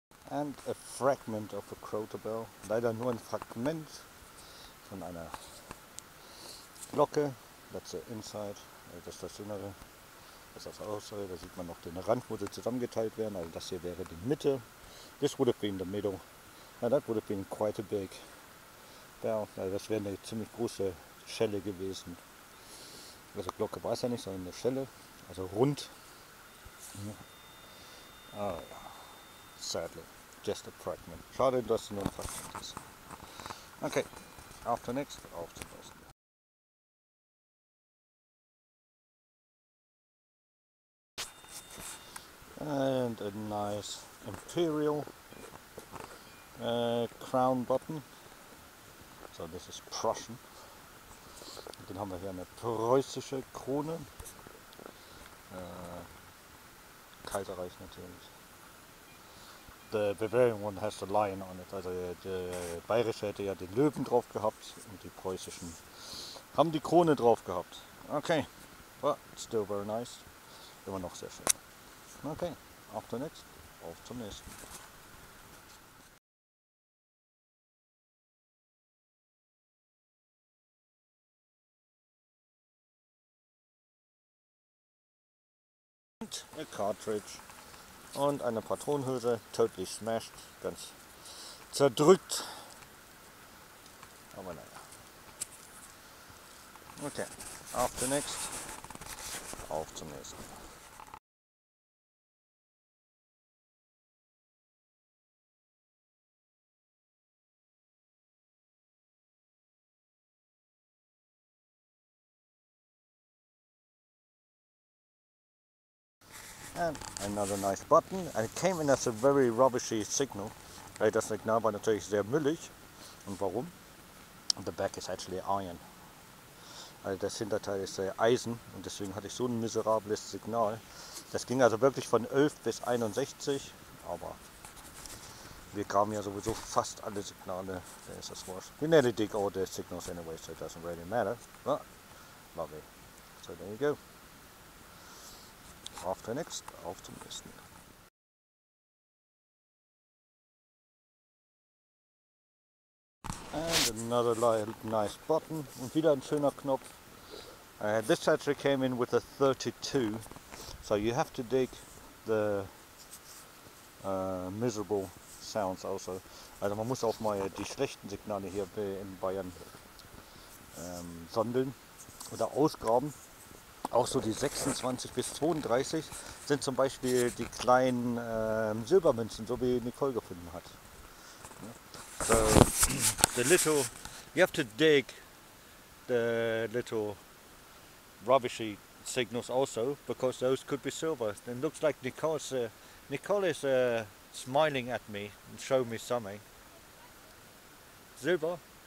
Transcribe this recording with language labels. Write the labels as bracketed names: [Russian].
[English] And a fragment of a crowter bell. [German] Leider nur ein Fragment von einer Glocke. [English] That's the inside. [German] Das ist das Innere. Das ist das Äußere. Da sieht man noch den Rand, wo sie zusammengeteilt werden. Also das hier wäre die Mitte. [English] This would have been the middle. Now that would have been quite a big bell. [German] Also das wäre eine ziemlich große Schelle gewesen. Also Glocke weiß ja nicht, sondern eine Schelle. Also rund. [English] Ja. Oh, ja. Sadly. Just a fragment. [German] Schade, dass es nur ein Fragment ist. Okay, auf zum nächsten, auf zum nächsten. [English] And a nice imperial crown button. So, this is Prussian. [German] Und dann haben wir hier eine preußische Krone. Kaiserreich natürlich. [English] The Bavarian one has the lion on it. [German] Also der bayerische hätte ja den Löwen drauf gehabt und die preußischen haben die Krone drauf gehabt. [English] Okay, but still very nice. [German] Immer noch sehr schön. Okay, auf zum nächsten. Auf zum nächsten. [English] Und a cartridge. [German] Und eine Patronenhülse, [English] totally smashed, [German] ganz zerdrückt. Aber naja. Okay, auf zum nächsten. Auf zum nächsten. [English] And another nice button, and it came in as a very rubbishy signal. [German] Das Signal war natürlich sehr müllig. Und warum? [English] The back is actually iron. [German] Also das Hinterteil ist Eisen und deswegen hatte ich so ein miserables Signal. Das ging also wirklich von 11 bis 61, aber wir graben ja sowieso fast alle Signale. [English] There is a swash. We nearly dig all the signals anyway, so it doesn't really matter. But lovely. So there you go. [German] Auf der nächsten, auf zum nächsten. [English] And another nice button. [German] Und wieder ein schöner Knopf. [English] This actually came in with a 32. So you have to dig the miserable sounds also. [German] Also man muss auch mal die schlechten Signale hier in Bayern sondeln oder ausgraben. Auch so die 26 bis 32 sind zum Beispiel die kleinen Silbermünzen, so wie Nicole gefunden hat. [English] So, the little, you have to dig the little rubbishy signals also, because those could be silver. It looks like Nicole is smiling at me and showing me something. Silber?